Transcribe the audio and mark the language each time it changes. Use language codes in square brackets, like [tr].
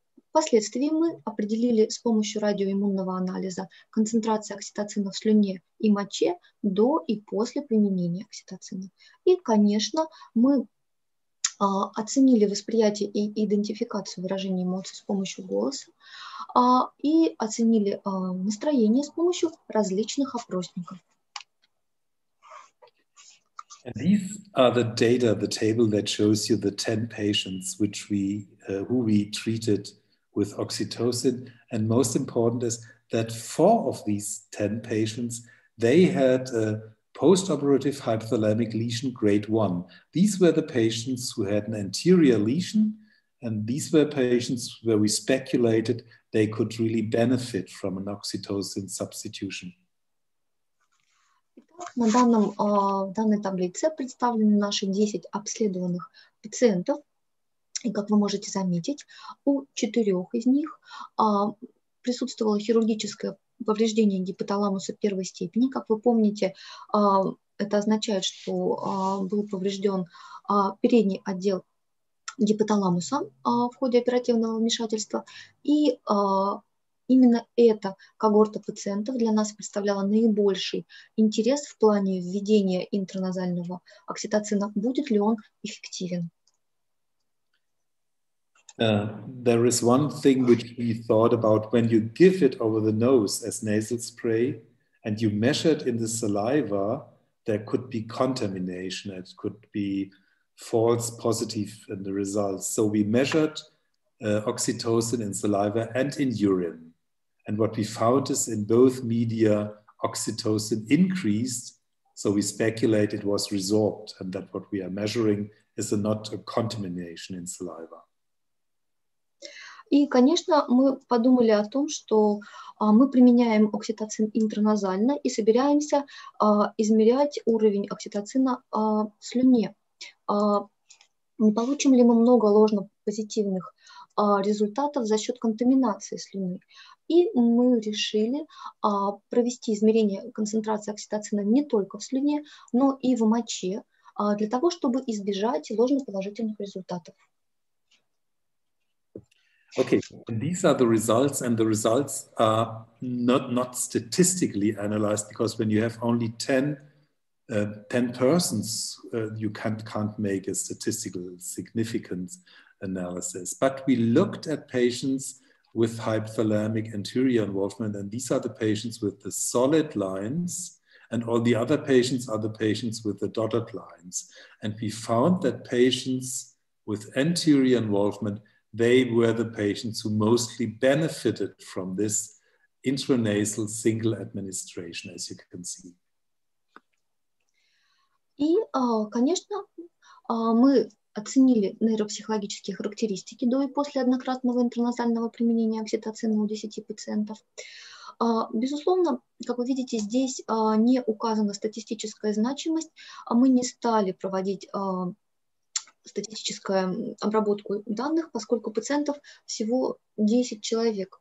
[ru] Впоследствии мы определили с помощью радиоиммунного анализа концентрацию окситоцина в слюне и моче до и после применения окситоцина. И, конечно, мы оценили восприятие и идентификацию выражения эмоций с помощью голоса и оценили настроение с помощью различных опросников. [en] And these are the data, the table that shows you the 10 patients who we treated with oxytocin, and most important is that 4 of these 10 patients, they had a postoperative hypothalamic lesion grade 1. These were the patients who had an anterior lesion, and these were patients where we speculated they could really benefit from an oxytocin substitution. [ru] На данном, в данной таблице представлены наши 10 обследованных пациентов. И как вы можете заметить, у 4 из них присутствовало хирургическое повреждение гипоталамуса первой степени. Как вы помните, это означает, что был поврежден передний отдел гипоталамуса в ходе оперативного вмешательства. И именно эта когорта пациентов для нас представляла наибольший интерес в плане введения интраназального окситоцина. Будет ли он эффективен? [en] There is one thing which we thought about when you give it over the nose as nasal spray and you measured in the saliva, there could be contamination, it could be false positive in the results. So we measured oxytocin in saliva and in urine. And what we found is in both media, oxytocin increased. So we speculate it was resorbed and that what we are measuring is not a contamination in saliva. [ru] И, конечно, мы подумали о том, что мы применяем окситоцин интраназально и собираемся измерять уровень окситоцина в слюне. Не получим ли мы много ложно-позитивных результатов за счет контаминации слюны? И мы решили провести измерение концентрации окситоцина не только в слюне, но и в моче для того, чтобы избежать ложно-положительных результатов. [en] Okay, these are the results, and the results are not statistically analyzed, because when you have only 10 persons, you can't make a statistical significance analysis. But we looked at patients with hypothalamic anterior involvement, and these are the patients with the solid lines, and all the other patients are the patients with the dotted lines. And we found that patients with anterior involvement they were the patients who mostly benefited from this intranasal single administration, as you can see. [ru] И, конечно, мы оценили нейропсихологические характеристики до и после однократного интраназального применения окситоцина у 10 пациентов. Безусловно, как вы видите, здесь не указана статистическая значимость, а мы не стали проводить статистическую обработку данных, поскольку пациентов всего 10 человек.